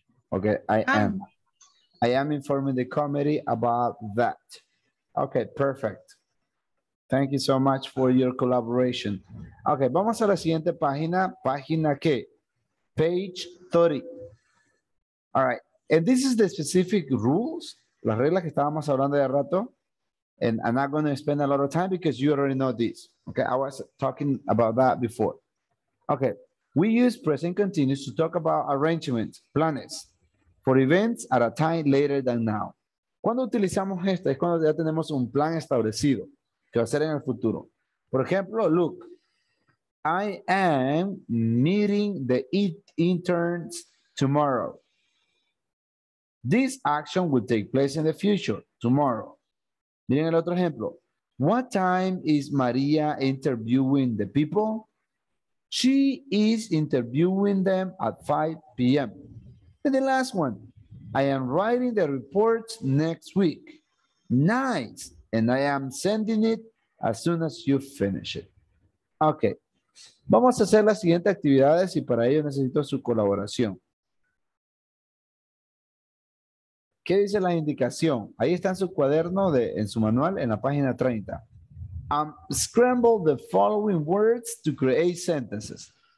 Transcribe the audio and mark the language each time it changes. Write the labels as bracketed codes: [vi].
[en] Ok, I am. I am informing the committee about that. Ok, perfect. Thank you so much for your collaboration. [es] Okay, vamos a la siguiente página. ¿Página qué? [en] Page 30. All right. And this is the specific rules, [es] las reglas que estábamos hablando de rato. [en] And I'm not going to spend a lot of time because you already know this. Okay, I was talking about that before. Okay, we use present continuous to talk about arrangements, planes, for events at a time later than now. [es] ¿Cuándo utilizamos esta? Es cuando ya tenemos un plan establecido que va a ser en el futuro. Por ejemplo, [en] look, I am meeting the interns tomorrow. This action will take place in the future, tomorrow. [es] Miren el otro ejemplo. [en] What time is Maria interviewing the people? She is interviewing them at 5 p.m. And the last one. I am writing the report next week. Nice. And I am sending it as soon as you finish it. Okay. [es] Vamos a hacer las siguientes actividades y para ello necesito su colaboración. ¿Qué dice la indicación? Ahí está en su cuaderno, en su manual, en la página 30. [en] Scramble the following words to create sentences.